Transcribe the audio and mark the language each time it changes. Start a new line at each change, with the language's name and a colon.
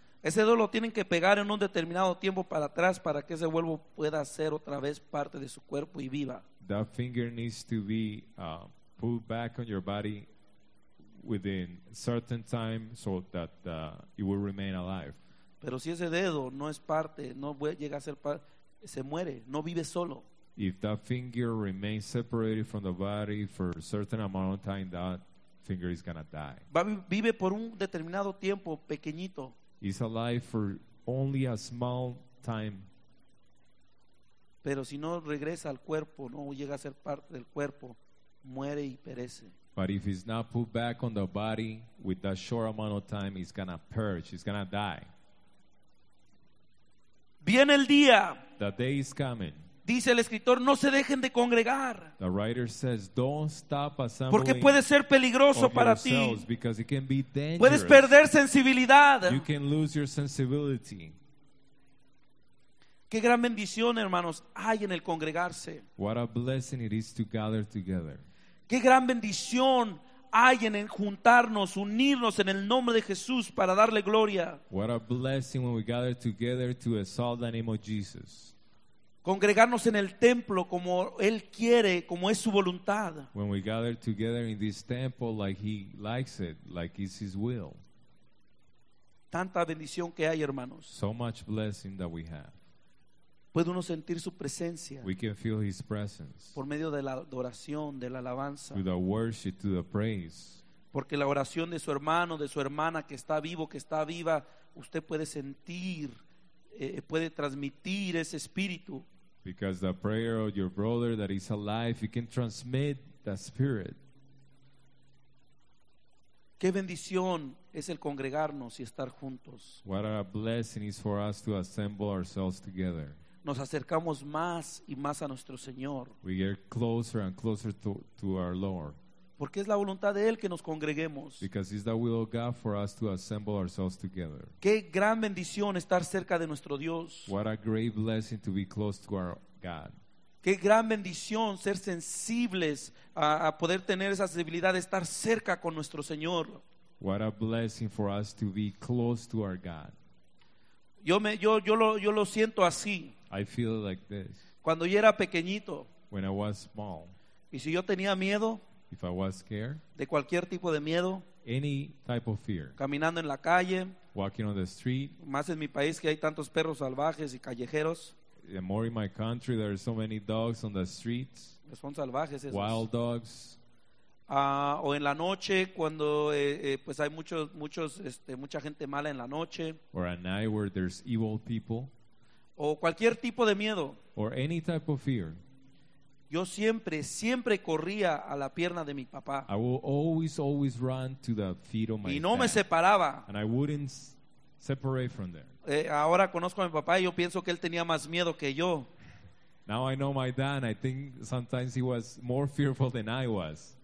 Spanish: Ese dedo lo tienen que pegar en un determinado tiempo para atrás para que ese vuelvo pueda ser otra vez parte de su cuerpo y viva.
English: That finger needs to be put back on your body within certain time so that it will remain alive.
Spanish: Pero si ese dedo no es parte, no llega a ser parte, se muere, no vive solo.
English: If that finger remains separated from the body for a certain amount of time, that finger is going to die.
Spanish: Vive por un determinado tiempo, pequeñito.
English: It's alive for only a small time.
Spanish: Pero si no regresa al cuerpo, no llega a ser parte del cuerpo, muere y perece.
English: But if it's not put back on the body with that short amount of time, it's going to perish, it's going to die.
Spanish: Viene el día.
English: The day is coming.
Spanish: Dice el escritor, no se dejen de congregar.
English: The writer says, don't stop assembling.
Spanish: Porque puede ser peligroso para ti.
English: Because it can be dangerous.
Spanish: Puedes perder sensibilidad.
English: You can lose your sensibility.
Spanish: Qué gran bendición, hermanos, hay en el congregarse.
English: What a blessing it is to gather together.
Spanish: Qué gran bendición hay en juntarnos, unirnos en el nombre de Jesús para darle gloria.
English: What a blessing when we gather together to exalt the name of Jesus.
Spanish: Congregarnos en el templo como Él quiere, como es su voluntad.
English: When we gather together in this temple like He likes it, like it's His will.
Spanish: Tanta bendición que hay, hermanos.
English: So much blessing that we have.
Spanish: Puede uno sentir su presencia.
English: We can feel His presence.
Spanish: Por medio de la adoración, de la alabanza.
English: Through the worship, through the praise.
Spanish: Porque la oración de su hermano, de su hermana que está vivo, que está viva, usted puede sentir, puede transmitir ese espíritu.
English: Because the prayer of your brother that is alive, you can transmit the spirit.
Spanish: Qué bendición es el congregarnos y estar juntos.
English: What a blessing is for us to assemble ourselves together.
Spanish: Nos acercamos más y más a nuestro Señor.
English: We get closer and closer to our Lord.
Spanish: Porque es la voluntad de Él que nos congreguemos.
English: Because it's the will of God for us to assemble ourselves together.
Spanish: Qué gran bendición estar cerca de nuestro Dios.
English: What a great blessing to be close to our God.
Spanish: Qué gran bendición ser sensibles a poder tener esa sensibilidad de estar cerca con nuestro Señor.
English: What a blessing for us to be close to our God.
Spanish: Yo lo siento así.
English: I feel like this.
Spanish: Cuando yo era pequeñito.
English: When I was small.
Spanish: Y si yo tenía miedo.
English: If I was scared.
Spanish: De cualquier tipo de miedo.
English: any type of fear.
Spanish: Caminando en la calle,
English: walking on the street.
Spanish: Más en mi país que hay tantos perros salvajes y callejeros.
English: And more in my country, there are so many dogs on the streets.
Spanish: Son salvajes esos.
English: Wild dogs.
Spanish: O en la noche cuando pues hay mucha gente mala en la noche.
English: Or at night where there's evil people.
Spanish: O cualquier tipo de miedo.
English: Or any type of fear.
Spanish: Yo siempre, siempre corría a la pierna de mi papá.
English: I will always, always run to the feet of my
Spanish: dad. Y no me separaba.
English: And I wouldn't separate from there.
Spanish: Ahora conozco a mi papá y yo pienso que él tenía más miedo que yo.
English: Now I know my dad and I think sometimes he was more fearful than I was.